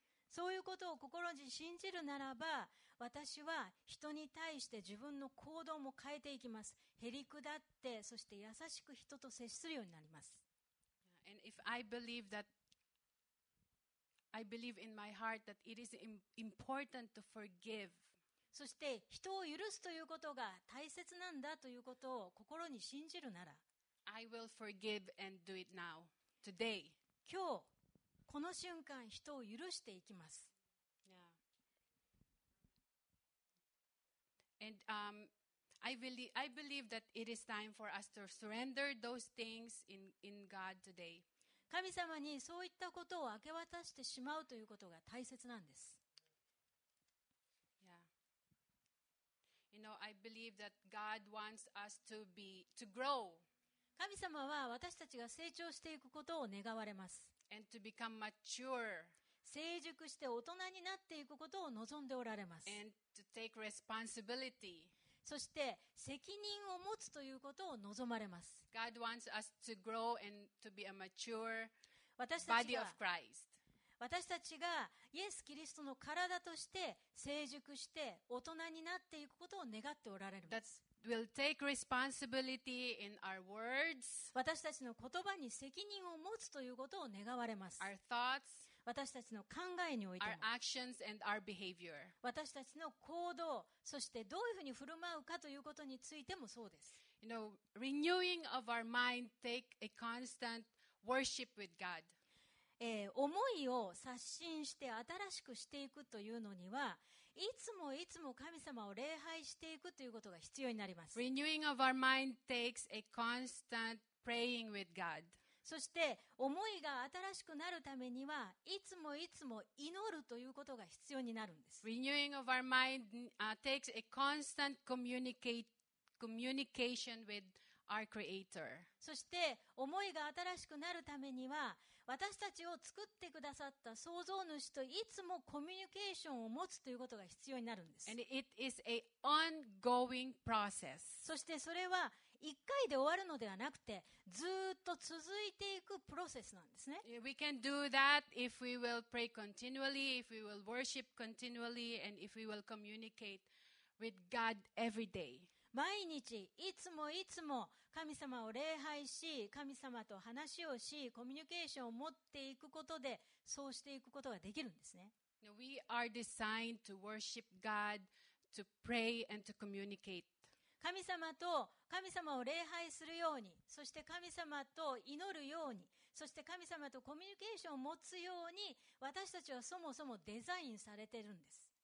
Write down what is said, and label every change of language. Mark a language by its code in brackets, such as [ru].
[ja] そういうことを心に信じるならば、私は人に対して自分の行動も変えていきます。へりくだって、そして優しく人と接するようになります。 [en] And if I believe that, I believe in my heart that it is important to forgive. [ja] そして人を許すということが大切なんだということを心に信じるなら、 [en] I will forgive and do it now, today. [ja] 今日この瞬間人を許していきます。 [en] Yeah. And I believe that it is time for us to surrender those things in God today. [ja] 神様にそういったことを明け渡してしまうということが大切なんです。 [en] Yeah. You know, I believe that God wants us to grow. [ja] 神様は私たちが成長していくことを願われます。 [en] And to become mature. [ja] 成熟して大人になっていくことを望んでおられます。 [en] And to take responsibility. [ja] そして責任を持つということを望まれます。 [en] God wants us to grow and to be a mature body of Christ. [ja] 私たちがイエス・キリストの体として成熟して大人になっていくことを願っておられます。 [en] That'sWill take responsibility in our words. [ja] 私たちの言葉に責任を持つということを願われます。 [en] Our thoughts, [ja] 私たちの考えにおいても、 [en] our actions and our behavior. [ja] 私たちの行動、そしてどういうふうに振る舞うかということについてもそうです。 [en] You know, renewing of our mind take a constant worship with God. [ja] 思いを刷新して新しくしていくというのには、いつもいつも神様を礼拝していくということが必要になります。 [en] Renewing of our mind takes a constant praying with God. [ja] そして思いが新しくなるためにはいつもいつも祈るということが必要になるんです。 [en] Renewing of our mind takes a constant communication with our Creator. [ja] そして思いが新しくなるためには私たちを作ってくださった創造主といつもコミュニケーションを持つということが必要になるんです。 [en] And it is a ongoing process. [ja] そしてそれは一回で終わるのではなくてずっと続いていくプロセスなんですね。 [en] We can do that if we will pray continually, if we will worship continually, and if we will communicate with God every day. [ja] 毎日いつもいつも神様を礼拝し、神様と話をし、コミュニケーションを持っていくことで、そうしていくことができるんですね。 [en] We are designed to worship God, to pray and to communicate. [ja] 神様と神様を礼拝するように、そして神様と祈るように、そして神様とコミュニケーションを持つように、私たちはそもそもデザインされてるんです。